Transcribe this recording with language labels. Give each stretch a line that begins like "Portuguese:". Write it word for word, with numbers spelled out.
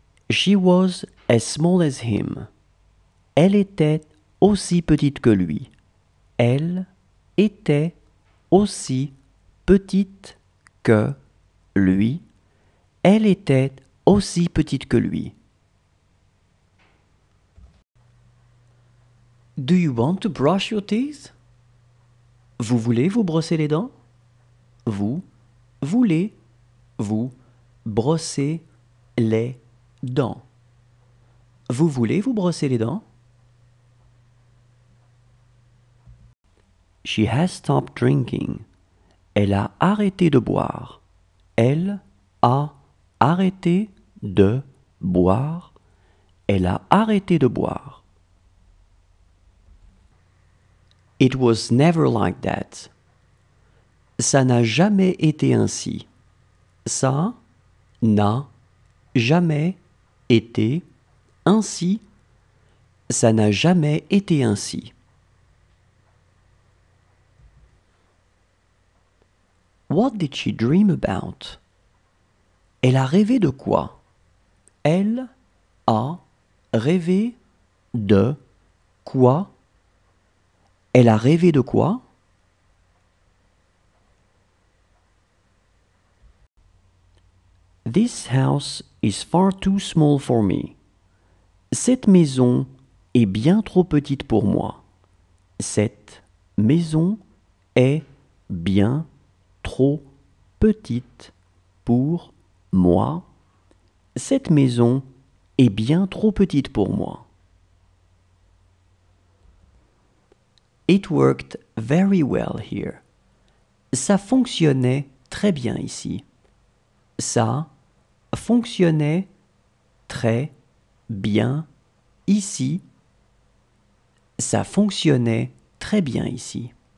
English: She was as small as him.
French: Elle était aussi petite que lui. Elle était aussi petite que lui. Elle était aussi petite que lui.
English: Do you want to brush your teeth?
French: Vous voulez vous brosser les dents? Vous voulez vous brosser les dents? Vous voulez vous brosser les dents?
English: She has stopped drinking.
French: Elle a arrêté de boire. Elle a arrêté de boire. Elle a arrêté de boire.
English: It was never like that.
French: Ça n'a jamais été ainsi. Ça n'a jamais été ainsi. Ça n'a jamais été ainsi.
English: What did she dream about?
French: Elle a rêvé de quoi? Elle a rêvé de quoi? Elle a rêvé de quoi?
English: This house is far too small for me.
French: Cette maison est bien trop petite pour moi. Cette maison est bien trop petite pour moi. Cette maison est bien trop petite pour moi.
English: It worked very well here.
French: Ça fonctionnait très bien ici. Ça fonctionnait très bien ici. Ça fonctionnait très bien ici.